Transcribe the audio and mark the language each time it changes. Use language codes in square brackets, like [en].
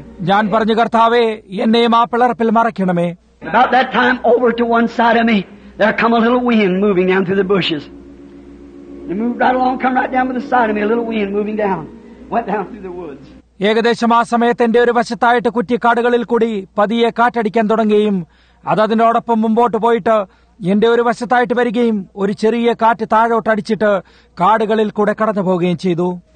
[ml] ഞാൻ പറഞ്ഞു, കർത്താവേ, എന്നെയും ആ പിളർപ്പിൽ മറയ്ക്കണമേ. [en] About that time, over to one side of me, there come a little wind moving down through the bushes. It moved right along, come right down to the side of me, a little wind moving down, went down through the woods. [ml] ഏകദേശം ആ സമയത്ത് എന്റെ ഒരു വശത്തായിട്ട് കുറ്റിക്കാടുകളിൽ കൂടി പതിയെ കാറ്റടിക്കാൻ തുടങ്ങുകയും അതതിനോടൊപ്പം മുമ്പോട്ട് പോയിട്ട് എന്റെ ഒരു വശത്തായിട്ട് വരികയും ഒരു ചെറിയ കാറ്റ് താഴോട്ടടിച്ചിട്ട് കാടുകളിൽ കൂടെ കടന്നു പോവുകയും ചെയ്തു.